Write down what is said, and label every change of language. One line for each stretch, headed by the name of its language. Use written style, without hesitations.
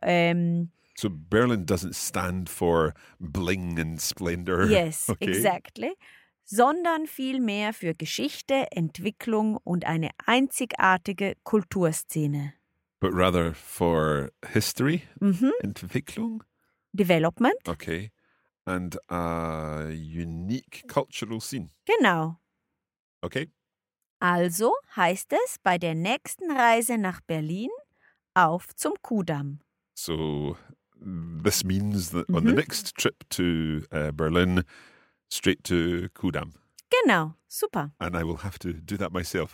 English: So Berlin doesn't stand for bling and splendor. Yes, okay. Exactly.
German: Sondern vielmehr für Geschichte, Entwicklung und eine einzigartige Kulturszene.
English: But rather for history,
German: Entwicklung.
English: Development. Okay. And a unique cultural scene.
German: Genau.
English: Okay.
German: Also heißt es bei der nächsten Reise nach Berlin auf zum Kudamm.
English: So... This means that on the next trip to Berlin, straight to Kudamm.
German: Genau, super.
English: And I will have to do that myself.